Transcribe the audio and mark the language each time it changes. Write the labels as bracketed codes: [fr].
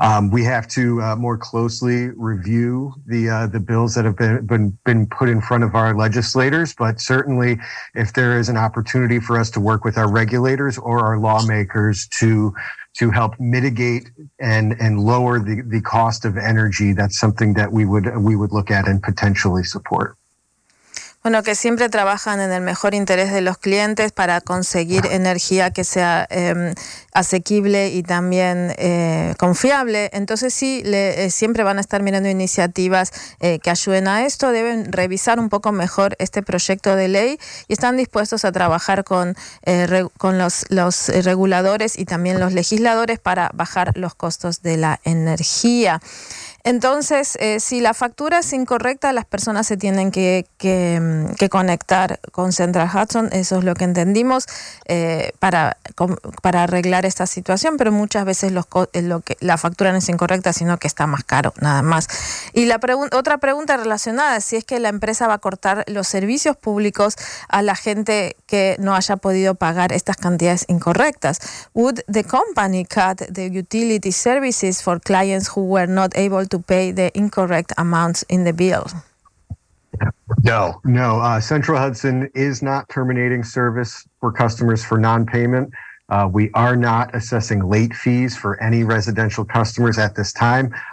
[en] We have to more closely review the bills that have been put in front of our legislators, but certainly if there is an opportunity for us to work with our regulators or our lawmakers to help mitigate and lower the cost of energy, that's something that we would look at and potentially support. [es] Bueno, que siempre trabajan en el mejor interés de los clientes para conseguir energía que sea asequible y también confiable. Entonces sí, siempre van a estar mirando iniciativas que ayuden a esto. Deben revisar un poco mejor este proyecto de ley y están dispuestos a trabajar con los reguladores y también los legisladores para bajar los costos de la energía. Entonces, si la factura es incorrecta, las personas se tienen que conectar con Central Hudson. Eso es lo que entendimos para arreglar esta situación. Pero muchas veces la factura no es incorrecta, sino que está más caro, nada más. Y la otra pregunta relacionada, si es que la empresa va a cortar los servicios públicos a la gente que no haya podido pagar estas cantidades incorrectas. [en] Would the company cut the utility services for clients who were not able to pay the incorrect amounts in the bill? No. Central Hudson is not terminating service for customers for non-payment. We are not assessing late fees for any residential customers at this time.